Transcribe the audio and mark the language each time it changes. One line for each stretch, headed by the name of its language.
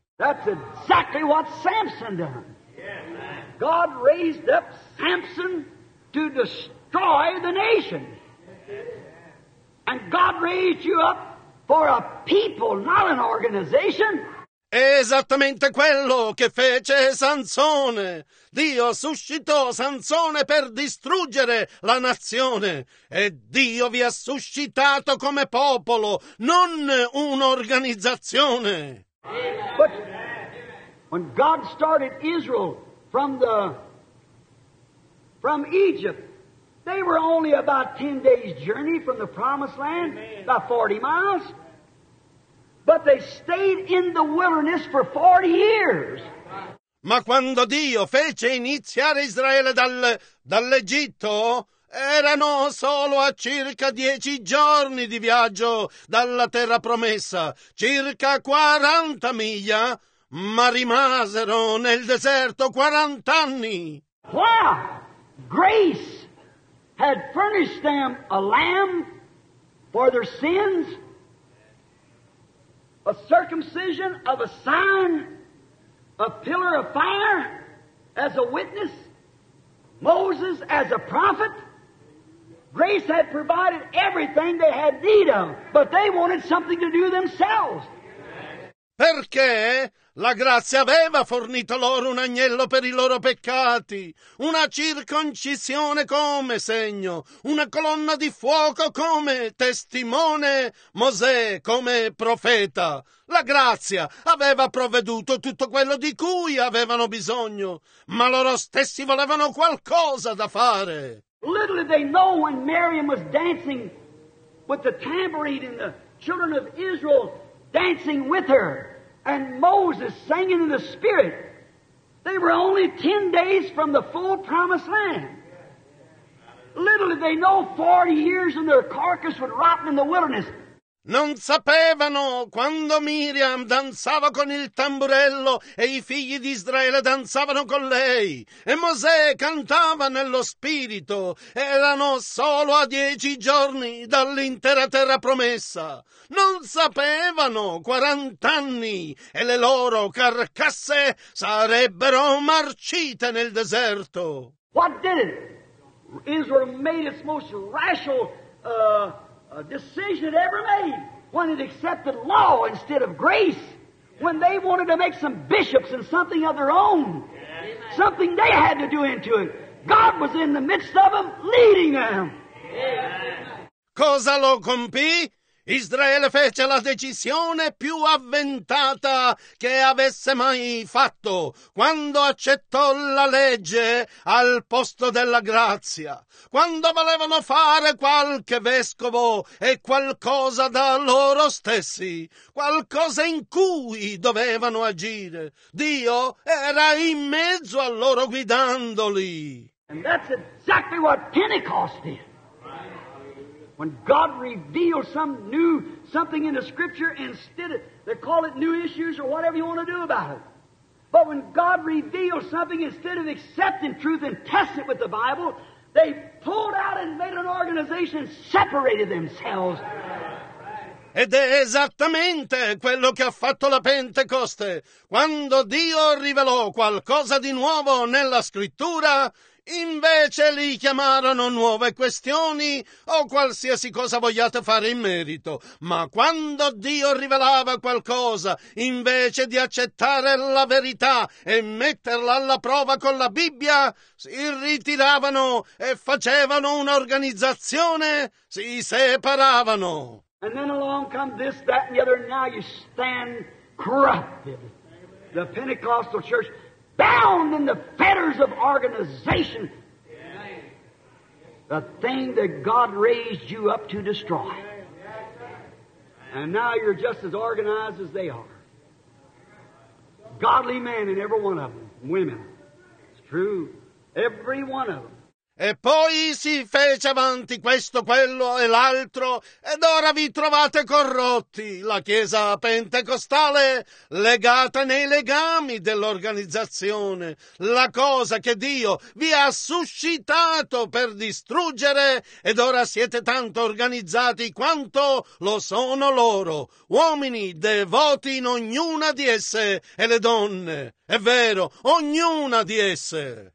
English: That's exactly what Samson done. God raised up Samson to destroy the nation. And God raised you up for a people, not an organization.
Italian: Esattamente quello che fece Sansone. Dio suscitò Sansone per distruggere la nazione. E Dio vi ha suscitato come popolo, non un'organizzazione.
English: But when God started Israel from Egypt, they were only about 10 days' journey from the promised land, about 40 miles. But they stayed in the wilderness for 40 years.
Italian: Ma quando Dio fece iniziare Israele dall'Egitto, erano solo a circa 10 giorni di viaggio dalla terra promessa, circa 40 miglia, ma rimasero nel deserto 40 anni.
English: Wow! Grace had furnished them a lamb for their sins. A circumcision of a sign, a pillar of fire as a witness, Moses as a prophet. Grace had provided everything they had need of, but they wanted something to do themselves.
Italian: Perché la grazia aveva fornito loro un agnello per i loro peccati, una circoncisione come segno, una colonna di fuoco come testimone, Mosè come profeta. La grazia aveva provveduto tutto quello di cui avevano bisogno, ma loro stessi volevano qualcosa da fare.
English: Little did they know when Miriam was dancing with the tambourine and the children of Israel dancing with her. And Moses singing in the Spirit. They were only 10 days from the full promised land. Little did they know 40 years and their carcass would rot in the wilderness.
Italian: Non sapevano quando Miriam danzava con il tamburello e i figli di Israele danzavano con lei e Mosè cantava nello spirito. Erano solo a 10 giorni dall'intera terra promessa. Non sapevano 40 anni e le loro carcasse sarebbero marcite nel deserto.
English: What did it? Israel made its most rational a decision it ever made when it accepted law instead of grace, when they wanted to make some bishops and something of their own, something they had to do into it. God was in the midst of them, leading them.
Italian: Cosa lo compì? Israele fece la decisione più avventata che avesse mai fatto quando accettò la legge al posto della grazia, quando volevano fare qualche vescovo e qualcosa da loro stessi, qualcosa in cui dovevano agire. Dio era in mezzo a loro guidandoli.
English: And that's exactly what Pentecost is. When God reveals some new something in the Scripture, instead of, they call it new issues or whatever you want to do about it. But when God reveals something, instead of accepting truth and test it with the Bible, they pulled out and made an organization and separated themselves.
Italian: Ed è esattamente quello che ha fatto la Pentecoste. Quando Dio rivelò qualcosa di nuovo nella Scrittura, invece li chiamarono nuove questioni o qualsiasi cosa vogliate fare in merito. Ma quando Dio rivelava qualcosa, invece di accettare la verità e metterla alla prova con la Bibbia, si ritiravano e facevano un'organizzazione, si separavano.
English: And then along come this, that and the other, now you stand corrupted. The Pentecostal church bound in the fetters of organization, the thing that God raised you up to destroy. And now you're just as organized as they are. Godly men in every one of them, women. It's true. Every one of them.
Italian: E poi si fece avanti questo, quello e l'altro, ed ora vi trovate corrotti, la Chiesa Pentecostale, legata nei legami dell'organizzazione, la cosa che Dio vi ha suscitato per distruggere, ed ora siete tanto organizzati quanto lo sono loro, uomini devoti in ognuna di esse, e le donne, è vero, ognuna di esse.